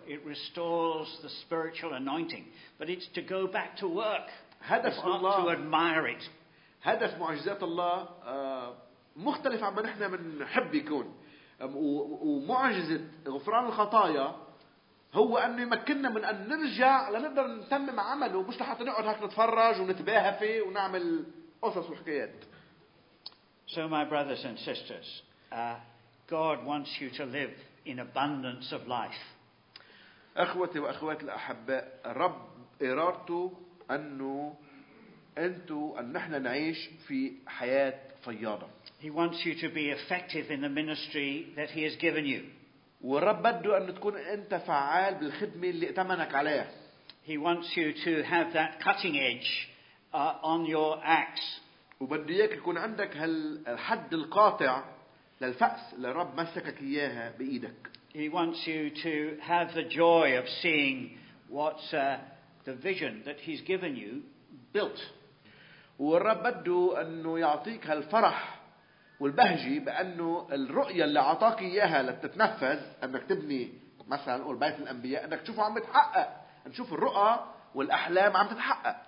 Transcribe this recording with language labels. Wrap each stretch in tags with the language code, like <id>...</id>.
<en>It restores the spiritual anointing. But it's to go back to work.</en> <ar>هدف</ar> <en>it's</en> <ar>الله.</ar> <en>Not to admire it.</en> <ar>هدف معجزات الله مختلف عما نحن بنحب يكون. ومعجزة غفران الخطايا هو أن يمكننا من أن نرجع لنقدر نتمم عمله مش لحتى نقعد هكذا نتفرج ونتباهى فيه ونعمل قصص وحكايات.</ar> <en>So my brothers and sisters, God wants you to live in abundance of life.</en> <ar>أخوتي وأخواتي الأحباء, رب إرادته أنه أنتوا أن نحن نعيش في حياة فياضة.</ar> <en>He wants you to be effective in the ministry that he has given you.</en> <ar>والرب بده أن تكون أنت فعال بالخدمة اللي ائتمنك عليها.</ar> <en>He wants you to have that cutting edge on your axe.</en> <ar>وبده إياك يكون عندك هالحد القاطع للفأس اللي رب مسكك إياها بإيدك.</ar> <en>He wants you to have the joy of seeing what the vision that he's given you built.</en> <ar>والرب بده أنه يعطيك هالفرح والبهجي بأنه الرؤية اللي عطاك إياها لتتنفذ أنك تبني مثلاً قول بيت الأنبياء أنك تشوفه عم تتحقق. نشوف الرؤى والأحلام عم تتحقق.</ar>